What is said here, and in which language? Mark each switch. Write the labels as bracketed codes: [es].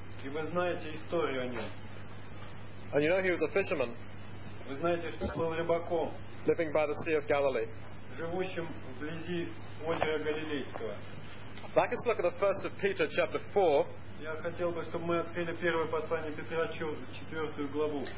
[ru] И вы знаете историю о нем. [en] And you know he was a fisherman. [ru] Вы знаете, что был рыбаком. [en] Living by the Sea of Galilee. [ru] Живущим вблизи озера Галилейского. [en] Like, let's look at the first of Peter, chapter 4. [ru] Я хотел бы, чтобы мы открыли первое послание Петра, четвертую главу.